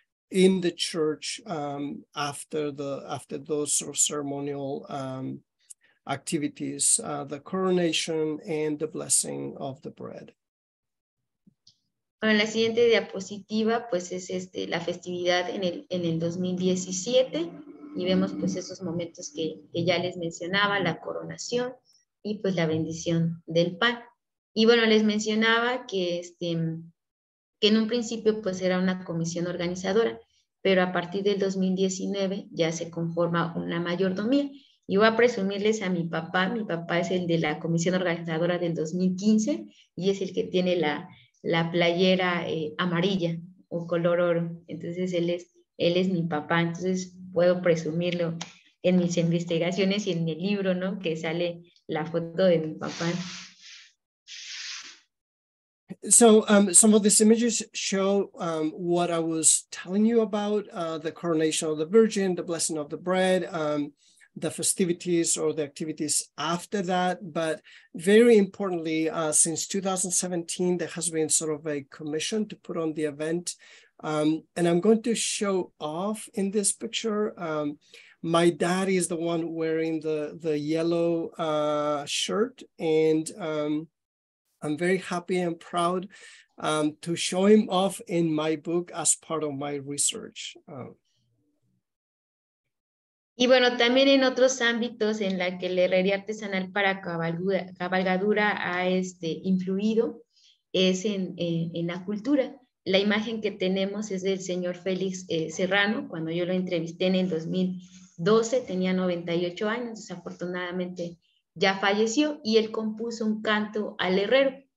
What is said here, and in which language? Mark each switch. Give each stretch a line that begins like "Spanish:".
English: in the church after those sort of ceremonial activities, the coronation and the blessing of the bread.
Spanish: Bueno, la siguiente diapositiva pues es la festividad en el 2017. Y vemos pues esos momentos que ya les mencionaba, la coronación y pues la bendición del pan. Y bueno, les mencionaba que en un principio pues era una comisión organizadora, pero a partir del 2019 ya se conforma una mayordomía. Y voy a presumirles a mi papá es el de la comisión organizadora del 2015 y es el que tiene la playera amarilla o color oro. Entonces él es mi papá, entonces puedo presumirlo en mis investigaciones y en el libro, ¿no? Que sale la foto de mi papá.
English: So some of these images show what I was telling you about, the coronation of the Virgin, the blessing of the bread, the festivities or the activities after that. But very importantly, since 2017, there has been sort of a commission to put on the event. And I'm going to show off in this picture. My dad is the one wearing the yellow shirt, and I'm very happy and proud to show him off in my book as part of my research.
Spanish: Y bueno, también en otros ámbitos en la que la herrería artesanal para cabalgadura ha influido es en la cultura. La imagen que tenemos es del señor Félix Serrano. Cuando yo lo entrevisté en el 2012, tenía 98 años, desafortunadamente ya falleció, y él compuso un canto al herrero.